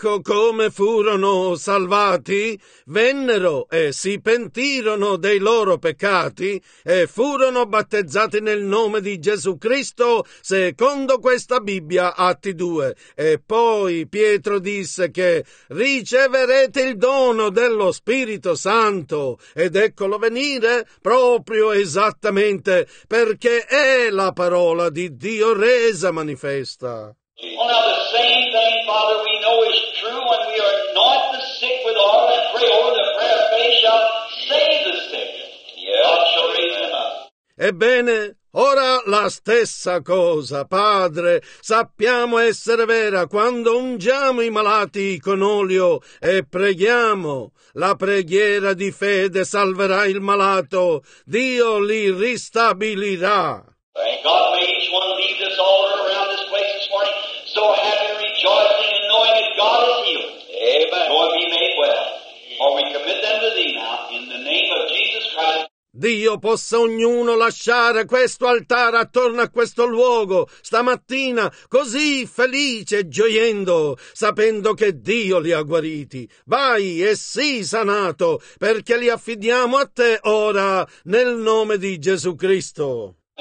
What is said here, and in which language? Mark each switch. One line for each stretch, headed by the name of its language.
Italian: ecco come furono salvati, vennero e si pentirono dei loro peccati e furono battezzati nel nome di Gesù Cristo, secondo questa Bibbia, Atti 2. E poi Pietro disse che riceverete il dono dello Spirito Santo, ed eccolo venire proprio esattamente, perché è la parola di Dio resa manifesta.
English: Well, now the same thing, Father, we know is true when we anoint the sick with oil and pray over the prayer of faith shall save the sick. Yeah. God shall raise him up.
Italian: Ebbene, ora la stessa cosa, Padre, sappiamo essere vera quando ungiamo i malati con olio e preghiamo. La preghiera di fede salverà il malato, Dio li ristabilirà.
English: Thank God we each one leave this altar around this place this morning so happy, rejoicing and knowing that God is healed. Amen. Or be made well. Or we commit them to thee now in the name of Jesus Christ.
Italian: Dio possa ognuno lasciare questo altare attorno a questo luogo stamattina così felice e gioiendo, sapendo che Dio li ha guariti. Vai e sii sanato, perché li affidiamo a te ora nel nome di Gesù Cristo.